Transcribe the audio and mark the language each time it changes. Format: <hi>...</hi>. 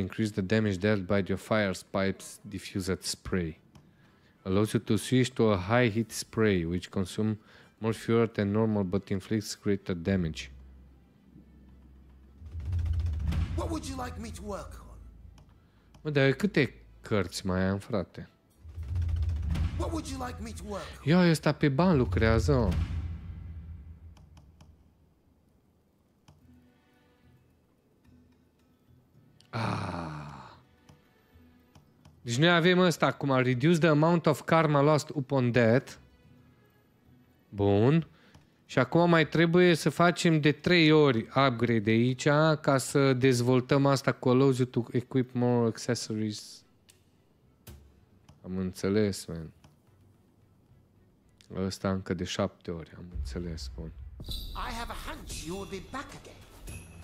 <en>Increase the damage dealt by your fire pipes. Diffused spray. Allows you to switch to a high heat spray, which consumes more fuel than normal, but inflicts greater damage. What would you like me to work on?</en> <ro>Mă, dar câte cărți mai am, frate?</ro> <en>What would you like me to work</en> <ro>on? Ia, ăsta pe bani lucrează. Deci noi avem ăsta acum,</ro> <en>reduce the amount of karma lost upon death.</en> <ro>Bun. Și acum mai trebuie să facem de 3 ori upgrade aici ca să dezvoltăm asta cu</ro> <en>allows you to equip more accessories.</en> <ro>Am înțeles, man. Ăsta încă de 7 ori, am înțeles, bun.</ro> <en>I have a hunch you will be back again.</en>